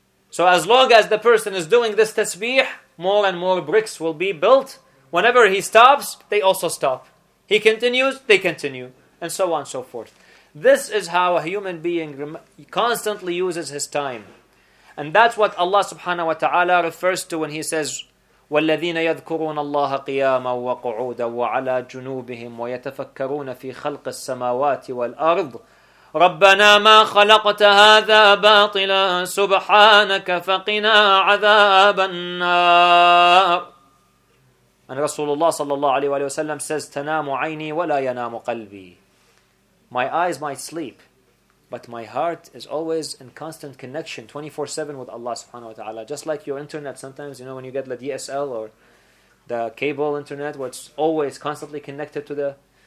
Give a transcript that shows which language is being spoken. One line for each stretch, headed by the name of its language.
English: So as long as the person is doing this tasbih, more and more bricks will be built. Whenever he stops, they also stop. He continues, they continue, and so on and so forth. This is how a human being constantly uses his time. And that's what Allah subhanahu wa ta'ala refers to when he says,
Arabic: وَالَّذِينَ يَذْكُرُونَ اللَّهَ قِيَامًا وَقُعُودًا وَعَلَىٰ جُنُوبِهِمْ وَيَتَفَكَّرُونَ فِي خَلْقِ السَّمَاوَاتِ وَالْأَرْضِ رَبَّنَا مَا خَلَقْتَ هَذَا بَاطِلًا سُبْحَانَكَ فَقِنَا عَذَابَ النَّارِ.
English: And Rasulullah sallallahu alayhi wa sallam says,
Arabic: تَنَامُ عَيْنِي وَلَا يَنَامُ قَلْبِي.
English: My eyes might sleep, But my heart is always in constant connection 24/7 with Allah subhanahu wa ta'ala. Just like your internet sometimes, you know, when you get the DSL or the cable internet, where it's always constantly connected to the...